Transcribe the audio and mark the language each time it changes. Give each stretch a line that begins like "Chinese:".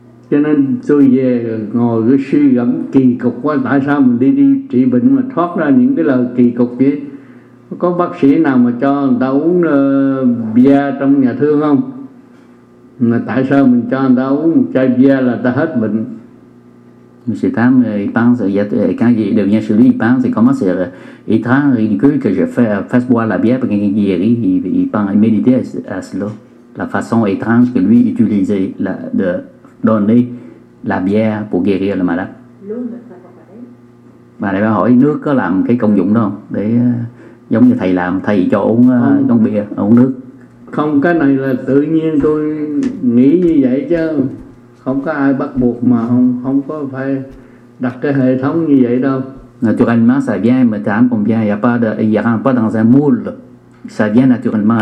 Vietnamese: Cho nên tôi về ngồi cứ suy gẫm kỳ cục quá, tại sao mình đi trị bệnh mà thoát ra những cái lời kỳ cục vậy? Có bác sĩ nào mà cho người ta uống bia trong nhà thương không? Mà tại sao mình cho người ta uống một chai bia là ta hết bệnh?
French: Monsieur Tam, il pense, quand il devient chez lui, il pense, comment c'est étrange, ridicule que je fasse boire la bière pour qu'il guérit. Il méditait à cela. La façon étrange que lui utilisait de donner la bière pour guérir le malade. L'eau ne fait pas pareil.
Vietnamese: Bà này hỏi, nước có làm cái công dụng đó không? Để giống như thầy làm, thầy cho uống con bia, uống nước. Không, cái này là tự nhiên tôi nghĩ như vậy chứ không có ai bắt buộc mà không có phải đặt cái hệ thống như vậy đâu.
French: Naturellement ça vient, mais tu as combien, il y a pas de, il rentre pas dans un moule. Ça vient naturellement.